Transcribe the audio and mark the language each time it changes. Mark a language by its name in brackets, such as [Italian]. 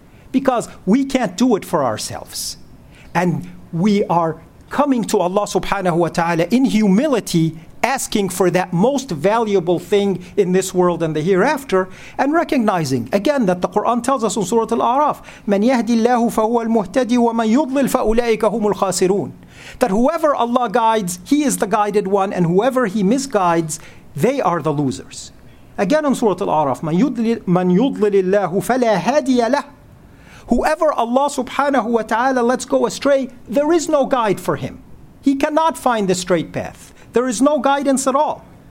[English] Because we can't do it for ourselves. And we are coming to Allah subhanahu wa ta'ala in humility, asking for that most valuable thing in this world and the hereafter, and recognizing, again, that the Quran tells us in Surah Al-A'raf, [Arabic] مَنْ يَهْدِ اللَّهُ فَهُوَ الْمُهْتَدِي وَمَنْ يُضْلِلْ فَأُولَئِكَ هُمُ الْخَاسِرُونَ. [English] That whoever Allah guides, He is the guided one, and whoever He misguides, they are the losers. Again in Surah Al-A'raf, [Arabic] مَنْ يُضْلِلِ اللَّهُ فَلَا هَادِيَ لَهُ. [English] Whoever Allah subhanahu wa ta'ala lets go astray, there is no guide for him. He cannot find the straight path. There is no guidance at all.